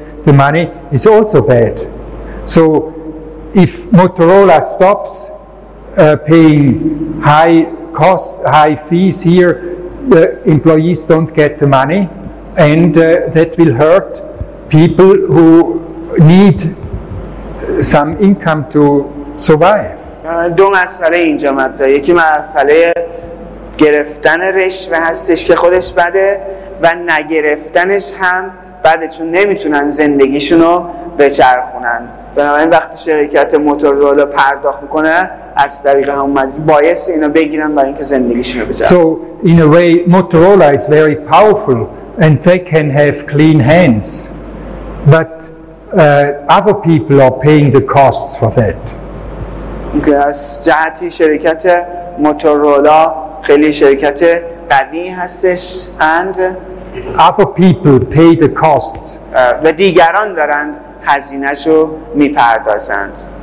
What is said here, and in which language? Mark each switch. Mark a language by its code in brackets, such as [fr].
[en] the money is also bad. So if Motorola stops paying high costs, high fees here, the employees don't get the money, and that will hurt people who need some income to survive. [fa] دو مسئله اینجا مطرحه. یکی مسئله گرفتن رشوه هستش که خودش بده، و نگرفتنش هم بده، چون نمیتونن زندگیشونو بچرخونن. بنابراین وقتی شرکت موتورولا پرداخت میکنه از طریق هم اومدی باید اینو بگیرن برای اینکه زندگیشونو بچرخونن. [en] So in a way Motorola is very powerful and they can have clean hands, but other people are paying the costs for that. [fa] از جهتی شرکت موتورولا خیلی شرکت قوی هستش and [en] other people pay the costs. [fa] و دیگران دارند هزینه‌شو می‌پردازند.